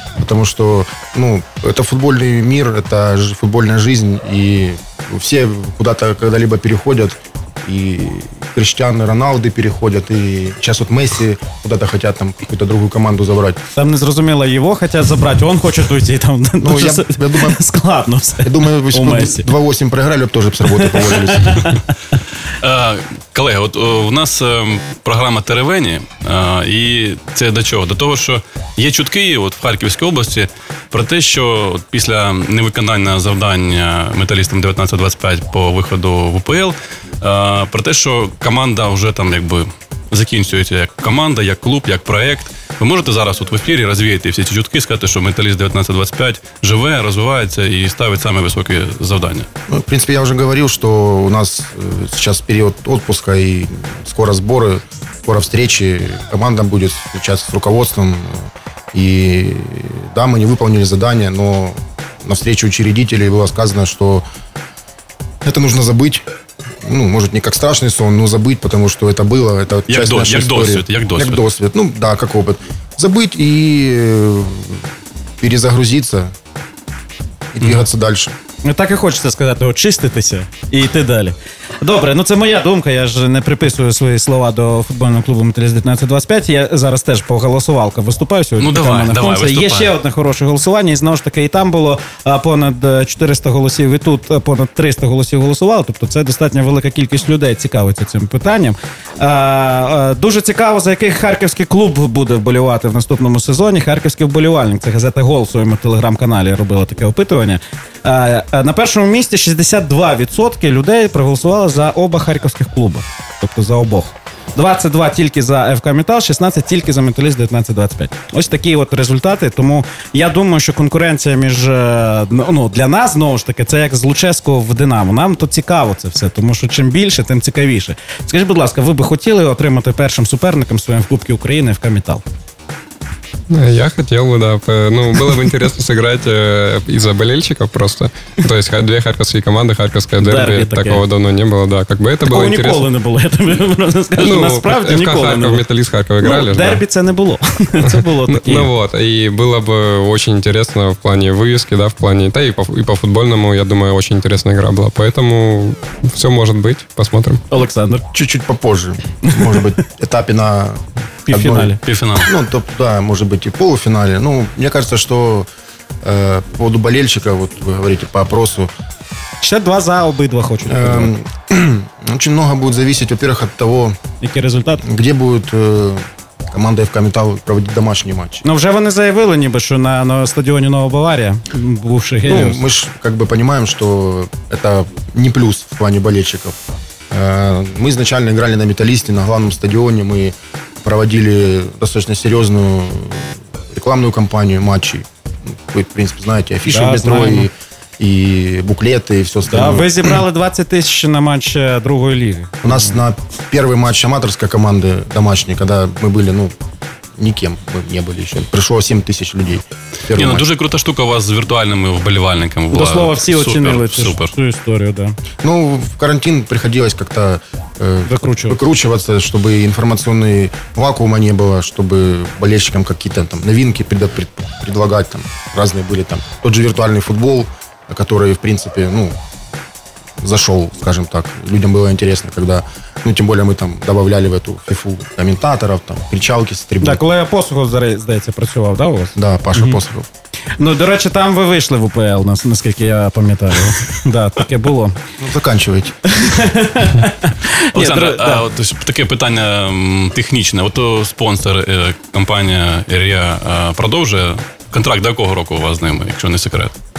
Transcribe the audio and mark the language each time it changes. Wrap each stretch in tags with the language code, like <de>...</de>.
<ru>Потому что, ну, это футбольный мир, это футбольная жизнь, и все куда-то когда-либо переходят, и Криштиану Роналду переходят, и сейчас вот Месси куда-то хотят там какую-то другую команду забрать. Там</ru> <uk>не зрозуміло,</uk> <ru>его хотят забрать, он хочет уйти, там, ну, я думаю, складно все. Я думаю, 2-8 проиграли, б тоже б с работы</ru> <uk>поводились. Колеги, от в нас програма «Теревені», і це до чого? До того, що є чутки от в Харківській області про те, що от після невиконання завдання металістам 1925 по виходу в УПЛ, про те, що команда вже там якби закінчується як команда, як клуб, як проєкт. Ви можете зараз от в ефірі розвіяти всі ці чутки, сказати, що металіст 1925 живе, розвивається і ставить саме високі завдання? Ну, в принципі, я вже говорив, що у нас зараз період відпуску і скоро збори, скоро зустрічі. Команда буде зараз з руководством. І да, ми не виконали завдання, але на зустрічі учредителів було сказано, що це треба забути.</uk> <ru>Ну, может, не как страшный сон, но забыть, потому что это было, это</ru> <uk>як</uk> <ru>часть нашей як истории.</ru> <uk>Досвід, як досвід. Як досвід.</uk> <ru>Ну, да, как опыт. Забыть и перезагрузиться и двигаться дальше.</ru> <uk>Так і хочеться сказати, очиститися і йти далі. Добре, ну це моя думка, я ж не приписую свої слова до футбольного клубу «Металіст 1925», я зараз теж по голосувалках виступаю. Ну давай виступаю. Є ще одне хороше голосування, і знову ж таки, і там було понад 400 голосів, і тут понад 300 голосів голосували, тобто це достатньо велика кількість людей цікавиться цим питанням. Дуже цікаво, за який харківський клуб буде вболівати в наступному сезоні. Харківський вболівальник, це газета «Гол» в своєму телеграм-каналі робила таке опитування. На першому місці 62% людей проголосували за оба харківських клуби, тобто за обох. 22 тільки за ФК «Метал», 16 тільки за «Металіст 1925». Ось такі от результати, тому я думаю, що конкуренція між, ну, для нас, знову ж таки, це як з Луческу в «Динамо». Нам то цікаво це все, тому що чим більше, тим цікавіше. Скажіть, будь ласка, ви би хотіли отримати першим суперником своїм в Кубці України ФК «Метал»?</uk> <ru>Я хотел бы, да. Ну, было бы интересно сыграть из-за болельщиков просто. То есть две харьковские команды, харьковское дерби. Такого давно не было, да. Как бы это было интересно.</ru> <uk>Такого ніколи не було, я тобі просто скажу. Насправді ніколи не було.</uk> <ru>ФК Харков, Металіст Харков играли.</ru> <uk>Дерби це не було. Це було таке. Ну вот, і було б дуже цікаво в плані вивіски, да, в плані, та і по футбольному, я думаю, дуже цікава гра була.</uk> <ru>Поэтому все</ru> <uk>може бути,</uk> <ru>посмотрим.</ru> <uk>Олександр.</uk> <ru>Чуть-чуть попозже.</ru> <uk>Може бути, етапі на... Півфіналі. Ну, то, да, може бути і полуфіналі. Ну, мені кажется, що по поводу болельщика, вот ви говорите по опросу. 62 за обидва хочуть.</uk> <ru>Очень много</ru> <uk>буде</uk> <ru>зависеть, во-первых, от того,</ru> <uk>який результат,</uk> <ru>где будет команда ФК «Метал» проводить домашний матч.</ru> <uk>Ну, вже вони заявили, ніби, що на стадіоні «Нова Баварія», бувший «Геліус».</uk> <ru>Ну, ми ж, как бы, понимаем, что это не плюс в плане болельщиков. Мы изначально играли на «Металлисте», на главном стадионе, мы проводили достаточно серьезную рекламную кампанию матчей. Вы, в принципе, знаете, афиши, да, метро и буклеты и все остальное. Да, вы забрали 20 тысяч на матч другой лиги. У нас на первый матч аматорской команды домашней, когда мы были, ну, никем мы не были еще. Пришло 7 тысяч людей.</ru> <uk>Не, ну, дуже крута штука</uk> <ru>у вас с виртуальными вболевальниками была. До слова, все оценили эту историю, да. Ну, в карантин приходилось как-то выкручиваться, чтобы информационный вакуума не было, чтобы болельщикам какие-то там новинки предлагать. Там, разные были там. Тот же виртуальный футбол, который, в принципе, ну, зашел, скажем так. Людям было интересно, когда... Ну, тем более, мы там добавляли в эту фифу комментаторов, там, кричалки с трибун.</ru> <uk>Так, Лео Посухов, здається, працював, да, у вас?</uk> <ru>Да, Паша Посухов.</ru> <uk>Ну, до речі, там ви вийшли в УПЛ, наскільки я пам'ятаю. Да, таке було.</uk> <ru>Ну, заканчуйте.</ru> <uk>Олександр, а от таке питання технічне. От спонсор, компанія «Ерія» продовжує контракт, до якого року у вас з ними, якщо не секрет?</uk>